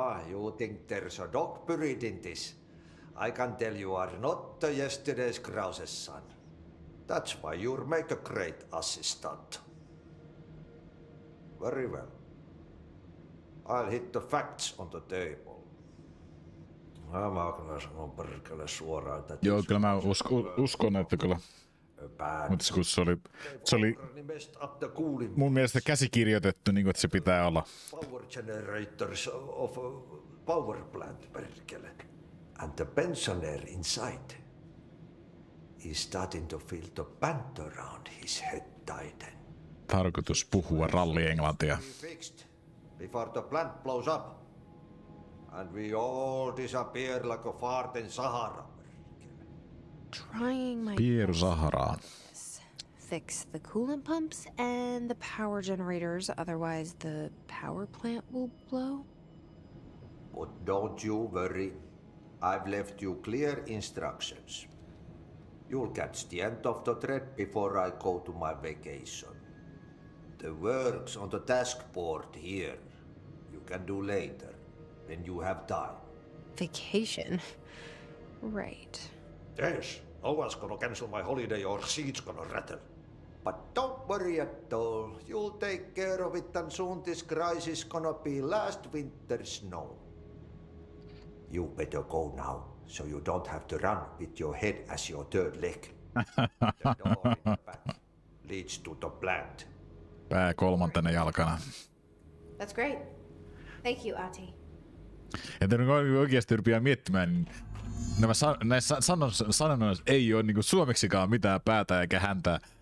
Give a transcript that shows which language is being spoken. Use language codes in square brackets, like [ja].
[en] You think there's a dog buried in this? I can tell you are not yesterday's Krause's son. That's why you make a great assistant. Very well. I'll hit the facts on the table. [fi] Mä oon kyllä sanon perkele suoraan, että... Joo, kyllä mä uskon, että kyllä. Mutta kun se oli mun mielestä käsikirjoitettu, niin kuin että se pitää olla. [en] Power generators of power plant, perkele. And the pensioner inside is starting to feel the band around his head tighten. [fi] Tarkoitus puhua rallienglantia. [en] Before the plant blows up. And we all disappear like a fart in Sahara. Trying my best to fix the coolant pumps and the power generators, otherwise the power plant will blow. But don't you worry. I've left you clear instructions. You'll catch the end of the thread before I go to my vacation. The works on the task board here, you can do later. Then you have time. Vacation? Right. Yes. No one's gonna cancel my holiday or seat's gonna rattle. But don't worry at all. You'll take care of it and soon this crisis gonna be last winter snow. You better go now, so you don't have to run with your head as your third leg. The door in the back leads to the plant. [fi] Pää kolmantena jalkana. [en] That's great. Thank you, Ati. [fi] Että nyt oikeasti rupeaa miettimään, niin nämä sanonnoissa ei ole niin kuin suomeksikaan mitään päätä eikä häntä.